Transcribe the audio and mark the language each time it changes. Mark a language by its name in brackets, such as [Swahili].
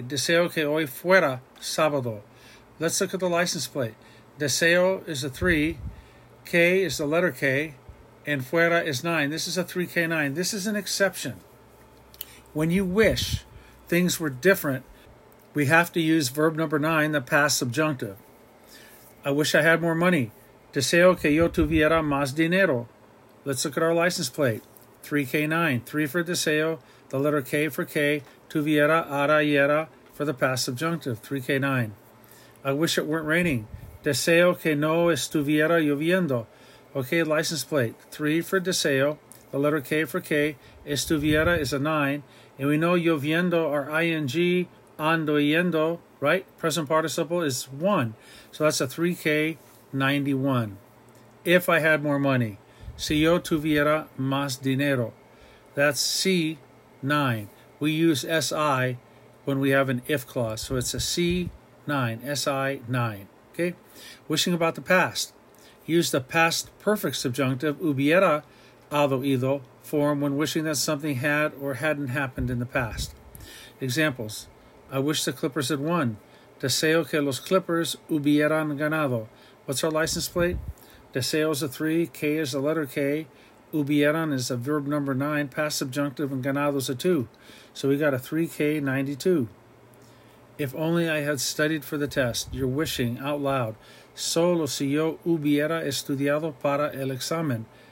[Spanish] Deseo que hoy fuera sábado. [English] Let's look at the license plate. Deseo is a 3, K is the letter K, and fuera is 9. This is a 3K9. This is an exception. When you wish things were different, we have to use verb number 9, the past subjunctive. I wish I had more money. [Spanish] Deseo que yo tuviera más dinero. [English] Let's look at our license plate. 3K9. 3 for deseo, the letter K for K, tuviera, ara, y era for the past subjunctive. 3K9. I wish it weren't raining. [Spanish] Deseo que no estuviera lloviendo. [English] Okay, license plate. 3 for deseo, the letter K for K. Estuviera is a 9. And we know lloviendo or ing, andoyendo, right? Present participle is 1. So that's a 3K91. If I had more money. [Spanish] Si yo tuviera más dinero. [English] That's C9. We use SI when we have an if clause. So it's a C9, SI9. Okay, wishing about the past. Use the past perfect subjunctive, hubiera habido ido, form when wishing that something had or hadn't happened in the past. Examples. I wish the Clippers had won. [Spanish] Deseo que los Clippers hubieran ganado. [English] What's our license plate? Deseo is a 3, K is the letter K, hubieran is a verb number 9, past subjunctive, and ganado is a 2. So we got a 3K92. If only I had studied for the test. You're wishing out loud. [Spanish] Solo si yo hubiera estudiado para el examen.